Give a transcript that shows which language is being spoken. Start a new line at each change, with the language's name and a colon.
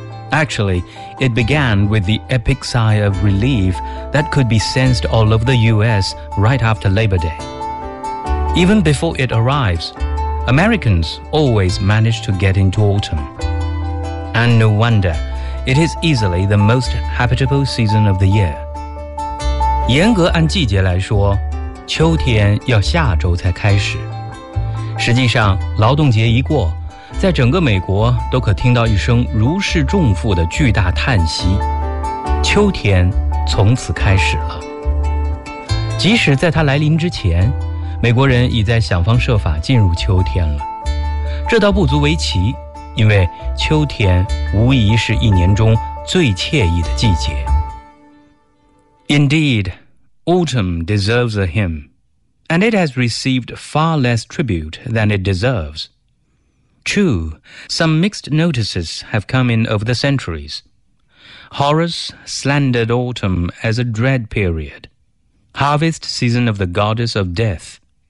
English: Actually, it began with the epic sigh of relief that could be sensed all over the U.S. right after Labor Day. Even before it arrives, Americans always manage to get into autumn. And no wonder, it is easily the most habitable season of the year.
Chinese: 严格按季节来说，秋天要下周才开始。实际上，劳动节一过，在整个美国都可听到一声如释重负的巨大叹息，秋天从此开始了。即使在它来临之前，美国人已在想方设法进入秋天了，这倒不足为奇，因为秋天无疑是一年中最惬意的季节。
English: Indeed, autumn deserves a hymn, and it has received far less tribute than it deserves. True, some mixed notices have come in over the centuries. Horace slandered autumn as a dread period, harvest season of the goddess of death.